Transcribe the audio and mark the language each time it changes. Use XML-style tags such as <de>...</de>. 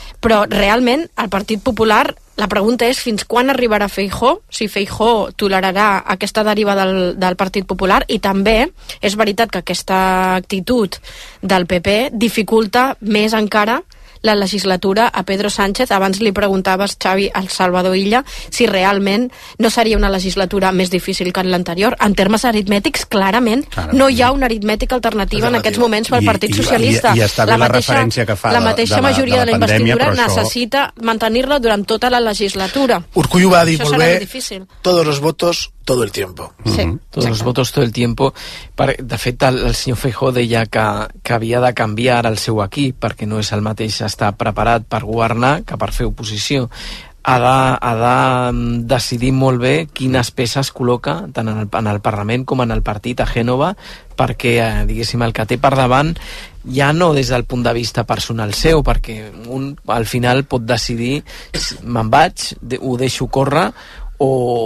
<ca>Però realment, el Partit Popular, la pregunta és fins quan arribarà Feijó, si Feijó tolerarà aquesta deriva del Partit Popular, i també és veritat que aquesta actitud del PP dificulta més encara la legislatura a Pedro Sánchez. Abans li preguntaves, Xavi, al Salvador Illa, si realment no seria una legislatura més difícil que en l'anterior. En termes aritmètics, clarament, no hi ha una aritmètica alternativa en aquests moments pel Partit Socialista. I està bé la referència que fa la mateixa majoria de la investidura necessita mantenir-la durant tota la legislatura. Urkullu ho va dir molt bé,</ca> <es>todos los votos, todo el tiempo. Sí, todos los votos, todo el tiempo.</es> <ca>De fet, el senyor Feijó deia que havia de canviar el seu equip, perquè no és el mateix està preparat per governar que per fer oposició. Ha de decidir molt bé quines peces col·loca tant en el Parlament com en el partit a Gènova, perquè, diguéssim, el que té per davant ja no des del punt de vista personal seu, perquè un al final pot decidir me'n vaig, ho deixo córrer o...</ca>